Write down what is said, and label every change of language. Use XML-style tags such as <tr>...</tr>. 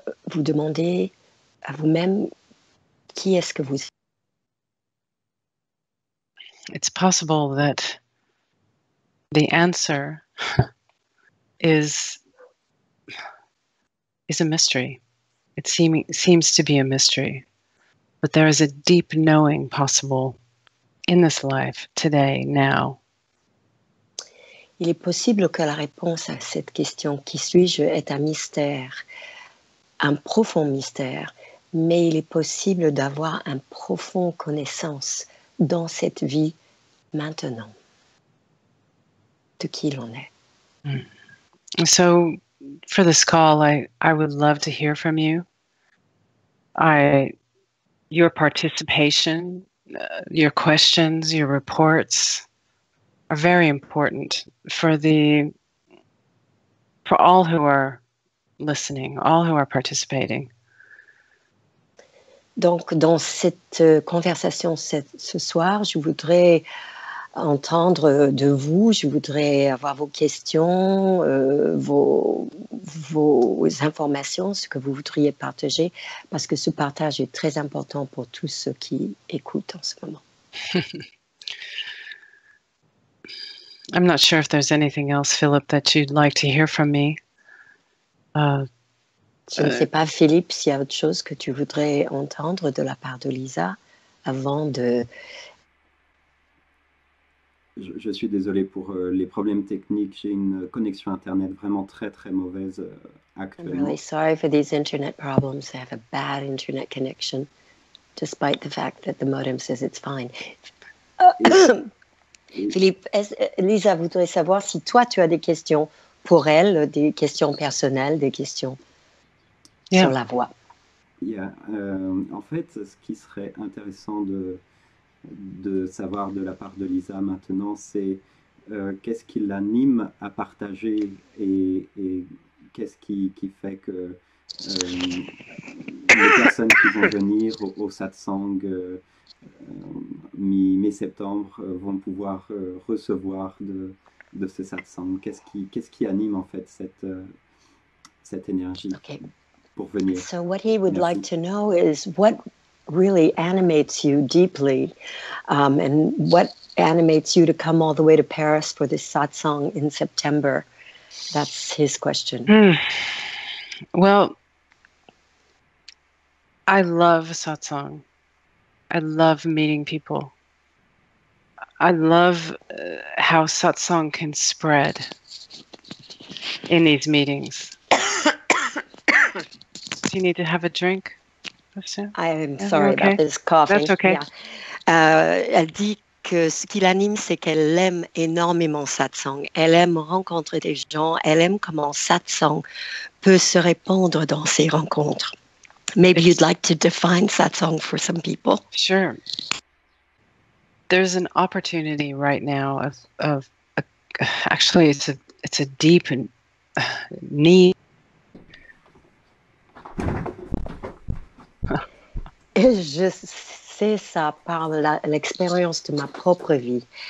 <fr>Vous demandez à vous-même qui est-ce que vous êtes.</fr> <en>It's possible that the answer is a mystery. It seems to be a mystery, but there is a deep knowing possible in this life, today, now.</en> <fr>Il est possible que la réponse à cette question, qui suis-je, est un mystère, un profond mystère, mais il est possible d'avoir un profond connaissance dans cette vie maintenant de qui l'on est.</fr> <en>So, for this call, I would love to hear from you. Your participation your questions, your reports are very important for all who are listening, all who are participating.</en> <fr>Donc, dans cette conversation ce soir, je voudrais entendre de vous, je voudrais avoir vos questions, vos informations, ce que vous voudriez partager, parce que ce partage est très important pour tous ceux qui écoutent en ce moment.</fr> <en>I'm not sure if there's anything else, Philip, that you'd like to hear from me.</en> <fr>Je ne sais pas, Philippe, s'il y a autre chose que tu voudrais entendre de la part de Lisa avant de... Je suis désolé pour les problèmes techniques. J'ai une connexion Internet vraiment très, très mauvaise actuellement.</fr> <en>I'm really sorry for these Internet problems. I have a bad Internet connection, despite the fact that the modem says it's fine.</en> <fr>Philippe, Lisa voudrait savoir si toi, tu as des questions pour elle, des questions personnelles, des questions...</fr> <en>Yeah.</en> <fr>Sur la voix.</fr> <en>Yeah.</en> <fr>En fait, ce qui serait intéressant de savoir de la part de Lisa maintenant, c'est qu'est-ce qui l'anime à partager et qu'est-ce qui fait que les personnes qui vont venir au satsang mi-septembre vont pouvoir recevoir de ce satsang. Qu'est-ce qui anime en fait cette énergie?</fr> <en>Okay. So what he would like to know is what really animates you deeply and what animates you to come all the way to Paris for this satsang in September. That's his question. Well, I love satsang. I love meeting people. I love how satsang can spread in these meetings. Do you need to have a drink? I'm sorry okay. about this coffee. That's okay. Yeah.</en> <fr>Elle dit que ce qui l'anime, c'est qu'elle aime énormément satsang. Elle aime rencontrer des gens. Elle aime comment satsang peut se répandre dans ces rencontres.</fr> <en>Maybe you'd like to define satsang for some people. Sure. There's an opportunity right now actually, it's a deep need.</en> <fr>Et je sais ça par l'expérience de ma propre vie.</fr>